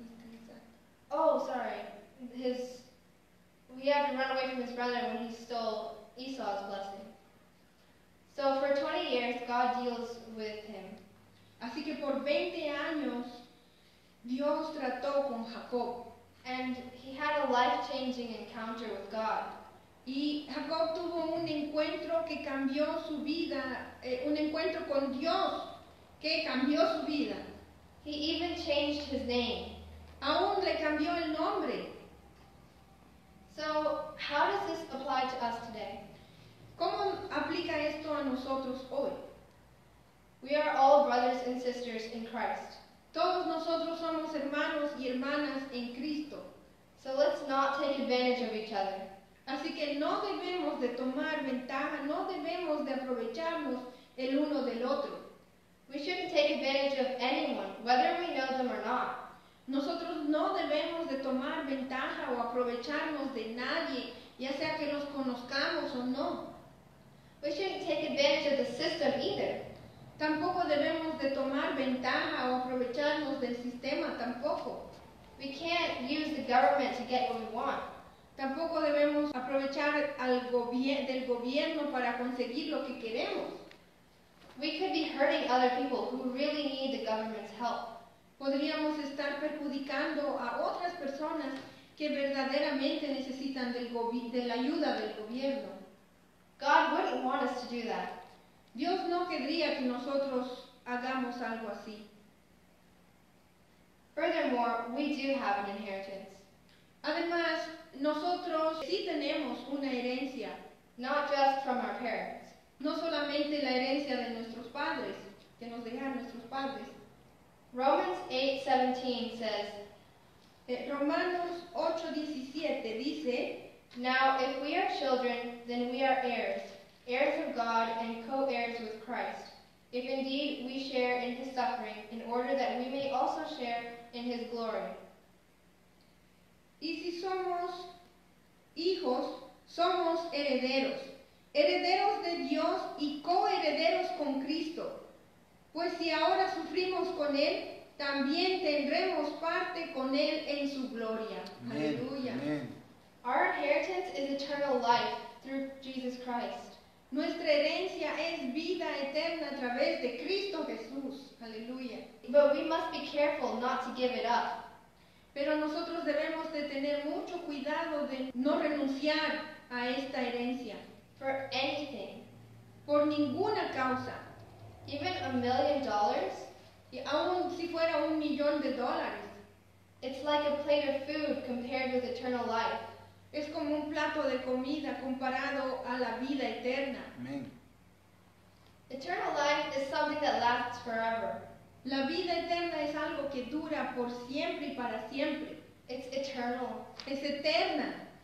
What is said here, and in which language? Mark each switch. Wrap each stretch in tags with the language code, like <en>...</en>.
<en>Yeah. Oh, sorry. He had to run away from his brother when he stole Esau's blessing. So for 20 years, God deals with him.</en> <es>Así que por 20 años, Dios trató con Jacob.</es> <en>And he had a life-changing encounter with God.</en> <es>Y Jacob tuvo un encuentro que cambió su vida, un encuentro con Dios que cambió su vida.</es> <en>He even changed his name.</en> <es>Aún le cambió el nombre.</es> <en>So, how does this apply to us today?</en> <es>¿Cómo aplica esto a nosotros hoy?</es> <en>We are all brothers and sisters in Christ.</en> <es>Todos nosotros somos hermanos y hermanas en Cristo.</es> <en>So let's not take advantage of each other.</en> <es>Así que no debemos de tomar ventaja, no debemos de aprovecharnos el uno del otro.</es> <en>We shouldn't take advantage of anyone, whether we know them or not.</en> <es>Nosotros no debemos de tomar ventaja o aprovecharnos de nadie, ya sea que los conozcamos o no.</es> <en>We shouldn't take advantage of the system either.</en> <es>Tampoco debemos de tomar ventaja o aprovecharnos del sistema tampoco.</es> <en>We can't use the government to get what we want.</en> <es>Tampoco debemos aprovechar del gobierno para conseguir lo que queremos.</es> <en>We could be hurting other people who really need the government's help.</en> <es>Podríamos estar perjudicando a otras personas que verdaderamente necesitan de la ayuda del gobierno.</es> <en>God wouldn't want us to do that.</en> <es>Dios no querría que nosotros hagamos algo así.</es> <en>Furthermore, we do have an inheritance.</en> <es>Además, nosotros sí tenemos una herencia.</es> <en>Not just from our parents.</en> <es>No solamente la herencia de nuestros padres, que nos dejaron nuestros padres.</es> <en>Romans 8:17 says,</en> <es>Romanos 8:17 dice,</es> <en>Now if we are children, then we are heirs, heirs of God and co-heirs with Christ, if indeed we share in his suffering, in order that we may also share in his glory.</en> <es>Y si somos hijos, somos herederos, herederos de Dios y co-herederos con Cristo. Pues si ahora sufrimos con él, también tendremos parte con él en su gloria. Aleluya.</es> <en>Our inheritance is eternal life through Jesus Christ.</en> <es>Nuestra herencia es vida eterna a través de Cristo Jesús. Aleluya.</es> <en>But we must be careful not to give it up.</en> <es>Pero nosotros debemos de tener mucho cuidado de no renunciar a esta herencia.</es> <en>For anything.</en> <es>Por ninguna causa.</es> <en>Even $1,000,000.</en> <es>Y aún si fuera $1,000,000.</es> <en>It's like a plate of food compared with eternal life.</en> <es>Es como un plato de comida comparado a la vida eterna.</es> <en>Amen. Eternal life is something that lasts forever.</en> <es>La vida eterna es algo que dura por siempre y para siempre.</es> <en>It's eternal.</en> <es>Es eterna.</es>